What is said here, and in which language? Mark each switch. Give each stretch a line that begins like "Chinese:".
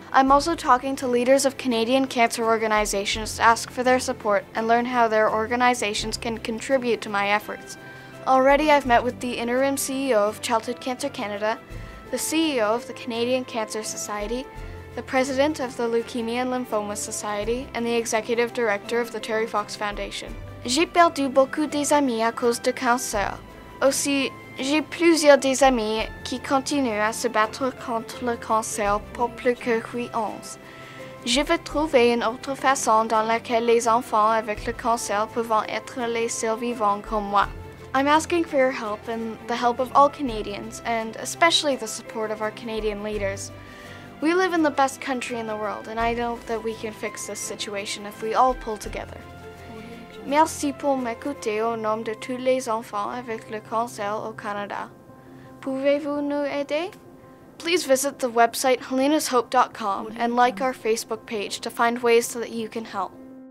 English: I'm also talking to leaders of Canadian cancer organizations to ask for their support and learn how their organizations can contribute to my efforts. Already I've met with the interim CEO of Childhood Cancer Canada, the CEO of the Canadian Cancer Society, the president of the Leukemia and Lymphoma Society and the executive director of the Terry Fox Foundation.
French: J'ai perdu beaucoup des amis à cause de cancer. Aussi, j'ai plusieurs des amis qui continuent à se battre contre le cancer pour plus que 8 ans. Je veux trouver une autre façon dans laquelle les enfants avec le cancer peuvent être les survivants comme moi.
English: I'm asking for your help and the help of all Canadians, and especially the support of our Canadian leaders. We live in the best country in the world, and I know that we can fix this situation if we all pull together.
French: Merci pour m'écouter au nom de tous les enfants avec le cancer au Canada. Pouvez-vous nous aider?
English: Please visit the website helenashope.com and like our Facebook page to find ways so that you can help.